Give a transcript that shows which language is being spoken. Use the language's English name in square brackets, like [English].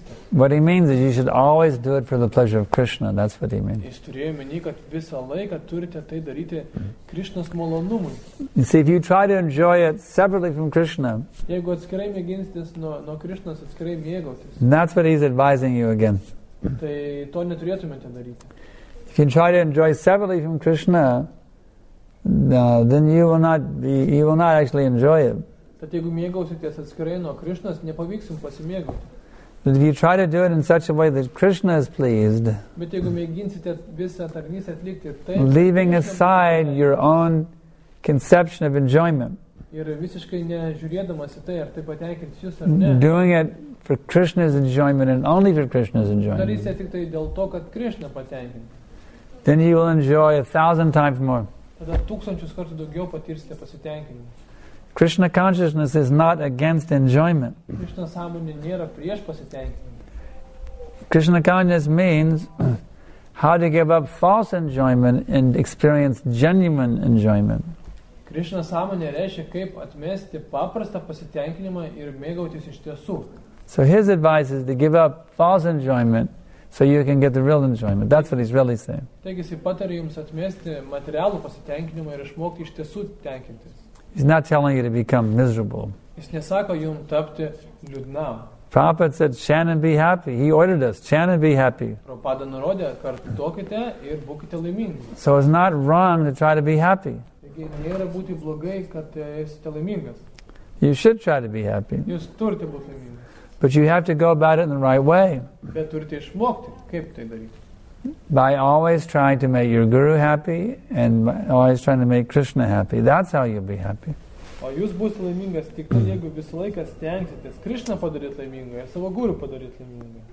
[English] What he means is you should always do it for the pleasure of Krishna. That's what he means. You see, if you try to enjoy it separately from Krishna, that's what he's advising you against. [Lithuanian] tai to neturėtumėte daryti. [English] If you try to enjoy separately from Krishna, then you will not actually enjoy it. [Lithuanian] Tad jeigu mėgausitės atskirai nuo Krishnas, nepavyks jums pasimėgauti. [English] But if you try to do it in such a way that Krishna is pleased, [Lithuanian] bet jeigu mėginsite visą tarnystę atlikti taip, [English] leaving aside your own conception of enjoyment, [Lithuanian] ir visiškai nežiūrėdamas į tai, ar tai patenkins jūs ar ne, [English] doing it for Krishna's enjoyment and only for Krishna's enjoyment, [Lithuanian] darysite tik tai dėl to, kad Krishna patenkins, [English] then you will enjoy 1,000 times more. [Lithuanian] Tada tūkstančius kartų daugiau patirsite pasitenkinimą. [English] Krishna consciousness is not against enjoyment. [Lithuanian] Krishna sąmonė nėra prieš pasitenkinimą. [English] Krishna consciousness means how to give up false enjoyment and experience genuine enjoyment. [Lithuanian] Krishna sąmonė reiškia, kaip atmesti paprastą pasitenkinimą ir mėgautis iš tiesų. [English] So his advice is to give up false enjoyment so you can get the real enjoyment. That's what he's really saying. [Lithuanian] Taigi jis patarė jums atmesti materialų pasitenkinimą ir išmokti iš tiesų tenkintis. [English] He's not telling you to become miserable. [Lithuanian] Jis nesako jum tapti liūdnam. [English] Prabhupada said, chant and be happy. He ordered us, chant and be happy. [Lithuanian] Prabhupada nurodė, kartokite ir būkite laimingi. [English] So it's not wrong to try to be happy. [Lithuanian] Taigi nėra būti blogai, kad esate laimingas. [English] You should try to be happy. [Lithuanian] Jūs turite būti laimingi. [English] But you have to go about it in the right way. [Lithuanian] Bet turite išmokti, kaip tai daryti. [English] By always trying to make your guru happy and always trying to make Krishna happy. That's how you'll be happy. [Lithuanian] O jūs būsite laimingas tik tai, jeigu visą laiką stengsitės Krishna padaryti laimingą ir savo guru padaryti laimingą.